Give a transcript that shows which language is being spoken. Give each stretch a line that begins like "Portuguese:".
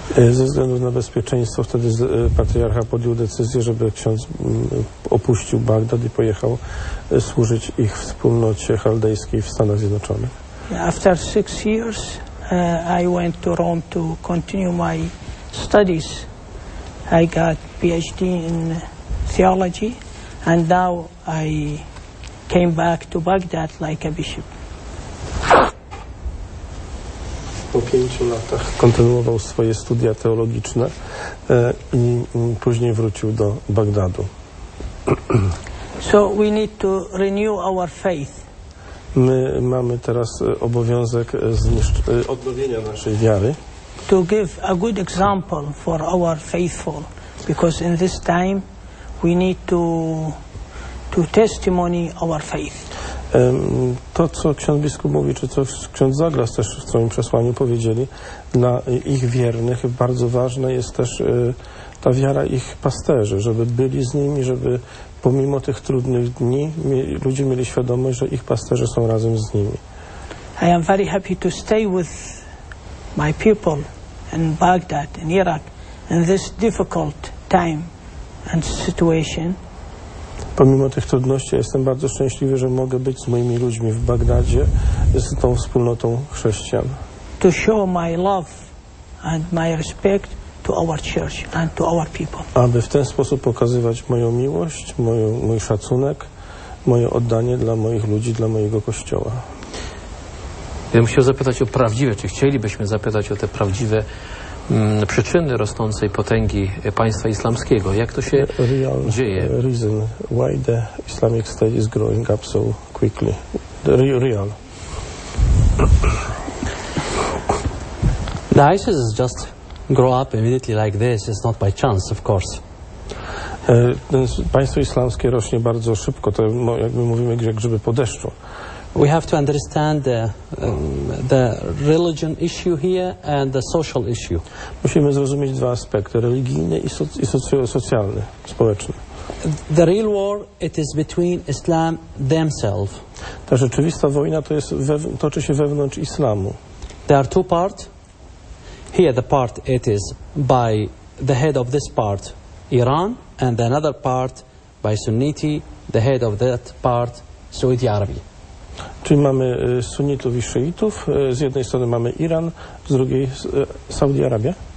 Polish: Ze względu na bezpieczeństwo wtedy patriarcha podjął decyzję, żeby ksiądz opuścił Bagdad i pojechał służyć ich wspólnocie chaldejskiej w Stanach Zjednoczonych.
English: After 6 years I went to Rome to continue my studies. I got PhD in theology and now I came back to Baghdad like a bishop.
Polish: Po 5 latach kontynuował swoje studia teologiczne i później wrócił do Bagdadu.
English: So we need to renew our faith.
Polish: My mamy teraz obowiązek odnowienia naszej wiary.
English: To give a good example for our faithful. Because in this time we need to testimony our faith.
Polish: To, co ksiądz biskup mówi, czy to ksiądz Douglas też w swoim przesłaniu powiedzieli, dla ich wiernych bardzo ważna jest też ta wiara ich pasterzy, żeby byli z nimi, żeby pomimo tych trudnych dni ludzie mieli świadomość, że ich pasterze są razem z nimi.
English: I am very happy to stay with my people in Baghdad, in Iraq. In this difficult time and situation.
Polish: Pomimo tych trudności jestem bardzo szczęśliwy, że mogę być z moimi ludźmi w Bagdadzie, z tą wspólnotą chrześcijan.
English: To show my love and my respect to our church and to our people.
Polish: Aby w ten sposób pokazywać moją miłość, mój szacunek, moje oddanie dla moich ludzi, dla mojego kościoła. Ja bym chciał zapytać o prawdziwe, czy chcielibyśmy zapytać o te prawdziwe przyczyny rosnącej potęgi państwa islamskiego. Jak to się
English: real
Polish: dzieje?
English: Reason why the Islamic State is growing up so quickly. The real. The ISIS is just grow up immediately like this is not by chance, of course.
Polish: Państwo islamskie rośnie bardzo szybko, to jakby mówimy, jak grzyby po deszczu.
English: We have to understand the religion issue here and the social issue.
Polish: Musimy zrozumieć dwa aspekty, religijny i socjalny, społeczny.
English: The real war, it is between Islam themselves.
Polish: Ta rzeczywista wojna to jest toczy się wewnątrz islamu.
English: There are two parts. Here the part it is by the head of this part, Iran, and another part by Sunniti, the head of that part, Saudi Arabia.
Polish: Czyli mamy sunnitów i szyitów. Z jednej strony mamy Iran, z drugiej Saudi Arabia.